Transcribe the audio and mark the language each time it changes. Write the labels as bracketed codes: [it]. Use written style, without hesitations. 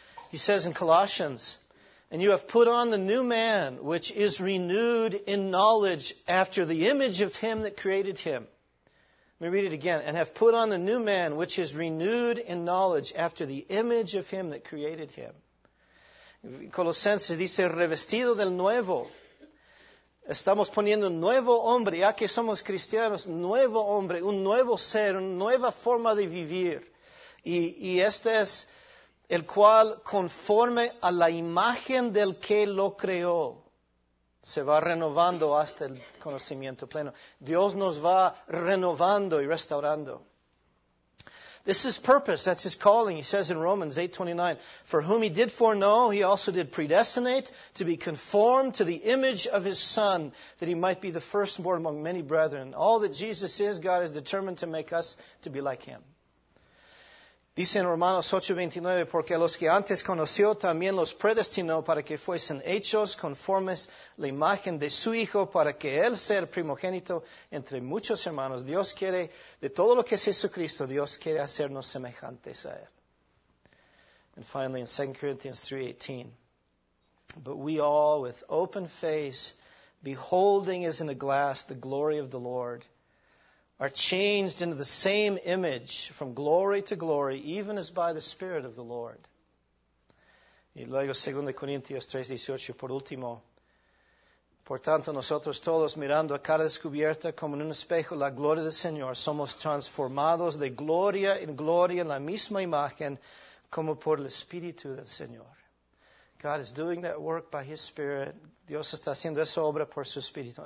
[en] He says in Colossians, "And you have put on the new man, which is renewed in knowledge after the image of him that created him." Let me read it again. "And have put on the new man, which is renewed in knowledge after the image of him that created him." [es] Colosenses dice, "Revestido del nuevo." Estamos poniendo un nuevo hombre, ya que somos cristianos, nuevo hombre, un nuevo ser, una nueva forma de vivir. Y este es el cual, conforme a la imagen del que lo creó, se va renovando hasta el conocimiento pleno. Dios nos va renovando y restaurando. [en] This is purpose, that's his calling. He says in Romans 8:29, "For whom he did foreknow, he also did predestinate to be conformed to the image of his Son, that he might be the firstborn among many brethren." All that Jesus is, God is determined to make us to be like him. [es] Dice en Romanos 8:29, "Porque los que antes conoció también los predestinó para que fuesen hechos conformes la imagen de su Hijo, para que Él sea el primogénito entre muchos hermanos." Dios quiere, de todo lo que es Jesucristo, Dios quiere hacernos semejantes a Él. [en] And finally, in 2 Corinthians 3:18, "But we all, with open face, beholding as in a glass the glory of the Lord, are changed into the same image from glory to glory, even as by the Spirit of the Lord." [es] Y luego, 2 Corintios 3:18, por último, "Por tanto, nosotros todos, mirando a cara descubierta como en un espejo la gloria del Señor, somos transformados de gloria en la misma imagen como por el Espíritu del Señor." [en] God is doing that work by His Spirit. [es] Dios está haciendo esa obra por su Espíritu.